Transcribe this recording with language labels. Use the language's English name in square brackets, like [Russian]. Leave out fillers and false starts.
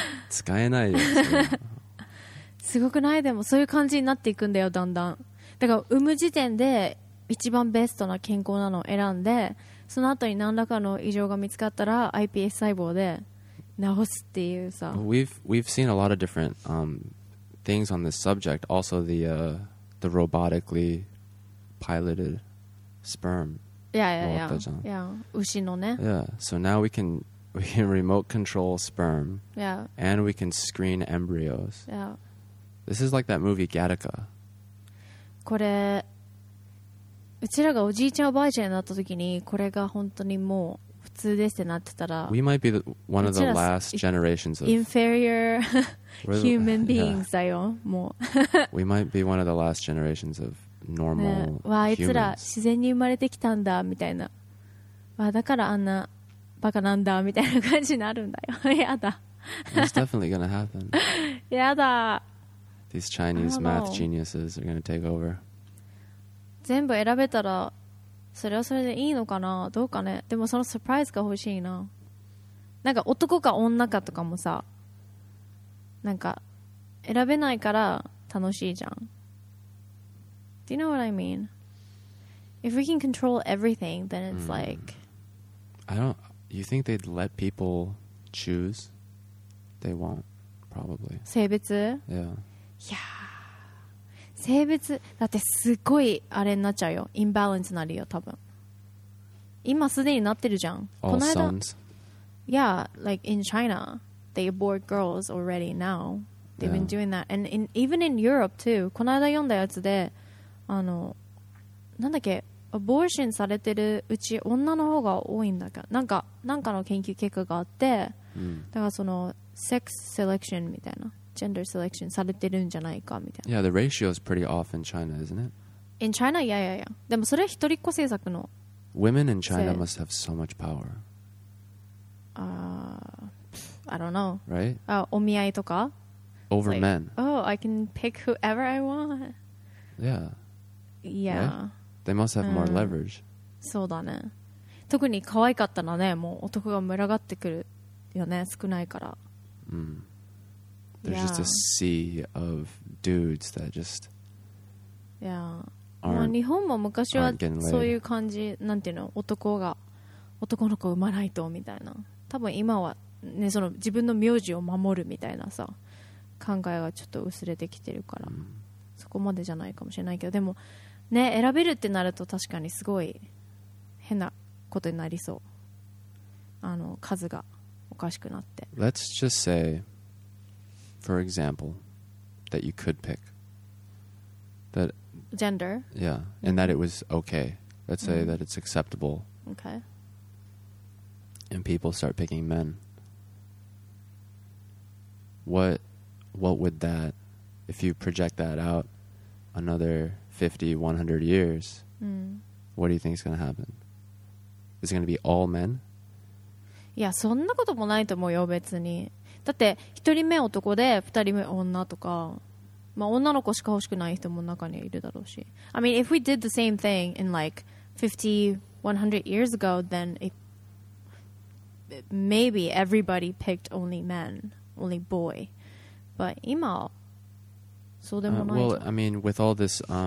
[Japanese] 使えないですすごくない？でもそういう感じになっていくんだよ、だんだん。だから産む時点で一番ベストな健康なのを選んで、その後に何らかの異常が見つかったら iPS 細胞で治すっていうさ。 [English] We've seen a lot of different things on this subject. Also the robotically piloted spermYeah. So now we can remote control sperm. Yeah. And we can screen embryos. Yeah. This is like that movie Gattaca. [Japanese] これ、うちらがおじいちゃんおばあちゃんになった時にこれが本当にもう普通ですってなってたら、 [English] we might be one of the last generations of inferior human beings [Japanese] だよ。もう。 [English] We might be one of the last generations of. [Japanese] Normal ね、わあいつら自然に生まれてきたんだみたいな、わあだからあんなバカなんだみたいな感じになるんだよやだ [English] It's definitely gonna happen. [Japanese] やだ [English] These Chinese math geniuses are gonna take over. [Japanese] 全部選べたらそれはそれでいいのかな、どうかね。でもそのサプライズが欲しいな。なんか男か女かとかもさ、なんか選べないから楽しいじゃん。 [English] Do you know what I mean? If we can control everything, then it's like... I don't... You think they'd let people choose? They won't, probably. [Japanese] 性別? [English] Yeah. Yeah. [Japanese] 性別だってすごいあれになっちゃうよ。 Imbalance になるよ、多分。今すでになってるじゃん。 [English] All sons? Yeah, like in China, they abort girls already now. They've been doing that. And in, even in Europe, too. [Japanese] この間読んだやつで、あのなんだっけ、アボーションされてるうち女の方が多いんだけど、なんかの研究結果があって、だからそのセックスセレクションみたいな、ジェンダーセレクションされてるんじゃないかみたいな。 [English] Yeah, the ratio is pretty off in China, isn't it? In China? Yeah, yeah, yeah. [Japanese] でもそれ一人っ子政策の。 [English] Women in China must have so much power. I don't know. Right? [Japanese] お見合いとか [English] Over like, men. Oh, I can pick whoever I want. Yeah. Yeah. Right? They must have more leverage. [Japanese] そうだね。特に可愛かったらね、もう男が群がってくるよね、少ないから。 There's just a sea of dudes that just aren't getting laid. 日本も昔はそういう感じ、なんていうの、男が男の子産まないとみたいな。多分今はね、その自分の名字を守るみたいなさ、考えがちょっと薄れてきてるから、そこまでじゃないかもしれないけど、でも。ね、選べるってなると確かにすごい変なことになりそう。あの、数がおかしくなって。 [English] Let's just say, for example, that you could pick. That, gender? Yeah, and that it was okay. Let's say that it's acceptable. Okay. And people start picking men. What would that, if you project that out, another... 50, 100 years, what do you think is going to happen? Is it going to be all men? [Japanese] いや、そんなこともないと思うよ、別に。だって、一人目男で、二人目女とか、まあ、女の子しか欲しくない人も中にいるだろうし。 [English] I mean, if we did the same thing in like 50, 100 years ago, then maybe everybody picked only men, only boy. But [Japanese] 今 [English] well, I mean, with all this